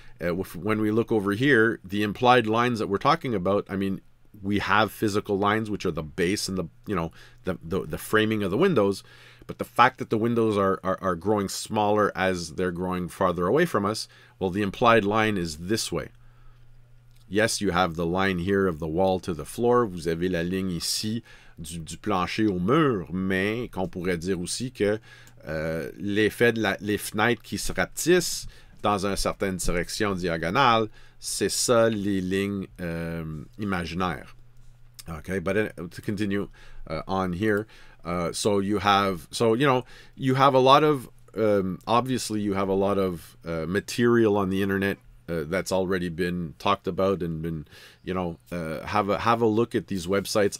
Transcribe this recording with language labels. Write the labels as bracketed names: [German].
[English] When we look over here, the implied lines that we're talking about, I mean, we have physical lines, which are the base and the, you know, the framing of the windows, but the fact that the windows are growing smaller as they're growing farther away from us, well, the implied line is this way. Yes, you have the line here of the wall to the floor. [French] Vous avez la ligne ici du plancher au mur, mais qu'on pourrait dire aussi que l'effet de les fenêtres qui se rapetissent dans une certaine direction diagonale, c'est ça les lignes imaginaires. [English] Okay, but to continue on here, so you have a lot of material on the internet that's already been talked about and been, you know, have a look at these websites.